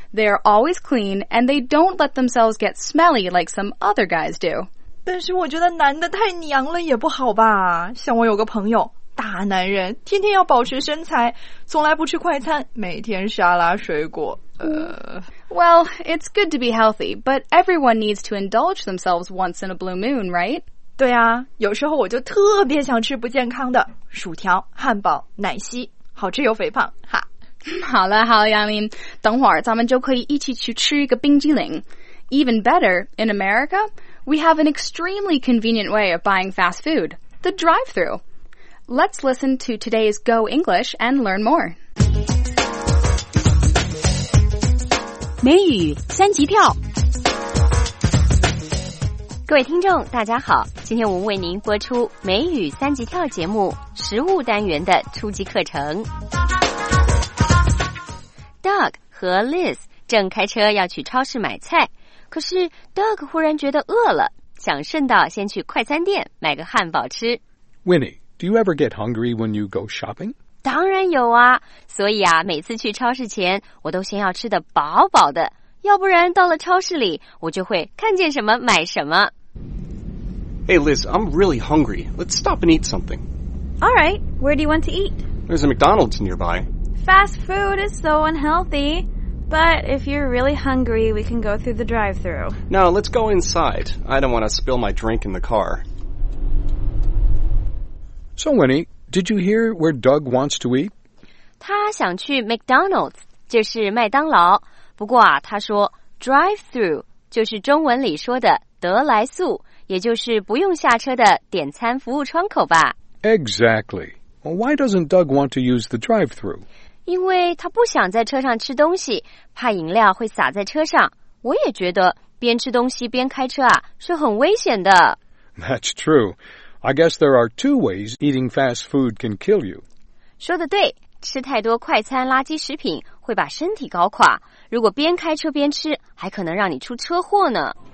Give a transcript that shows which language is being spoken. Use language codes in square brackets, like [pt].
[en] They are always clean, and they don't let themselves get smelly like some other guys do. [zh] 但是我觉得男的太娘了也不好吧？像我有个朋友，大男人，天天要保持身材，从来不吃快餐，每天沙拉水果。 [en] Well, it's good to be healthy, but everyone needs to indulge themselves once in a blue moon, right? [zh] 对啊，有时候我就特别想吃不健康的薯条、汉堡、奶昔，好吃又肥胖，哈。好了好了，杨林，等会儿咱们就可以一起去吃一个冰激凌。 [en] Even better, in America, we have an extremely convenient way of buying fast food, the drive-thru. Let's listen to today's Go English and learn more. [zh] 美语三级跳。各位听众大家好，今天我们为您播出美语三级跳节目实务单元的初级课程。 Doug 和 Liz 正开车要去超市买菜，可是 Doug 忽然觉得饿了，想顺道先去快餐店买个汉堡吃。 [en] Winnie, do you ever get hungry when you go shopping? [zh] 当然有啊，所以啊，每次去超市前，我都先要吃得饱饱的，要不然到了超市里，我就会看见什么买什么。 [en] Hey Liz, I'm really hungry. Let's stop and eat something. All right, where do you want to eat? There's a McDonald's nearby. Fast food is so unhealthy, but if you're really hungry, we can go through the drive-thru. No, let's go inside. I don't want to spill my drink in the car. So, Winnie, did you hear where Doug wants to eat? [zh] 他想去 McDonald's, 就是麦当劳。不过啊，他说 drive-thru 就是中文里说的得来速，也就是不用下车的点餐服务窗口吧。 [en] Exactly. Well, why doesn't Doug want to use the drive-thru? [zh] 因为他不想在车上吃东西，怕饮料会洒在车上。我也觉得边吃东西边开车啊，是很危险的。 [en] That's true. I guess there are two ways eating fast food can kill you. [zh] 说得对，吃太多快餐垃圾食品会把身体搞垮。如果边开车边吃，还可能让你出车祸呢。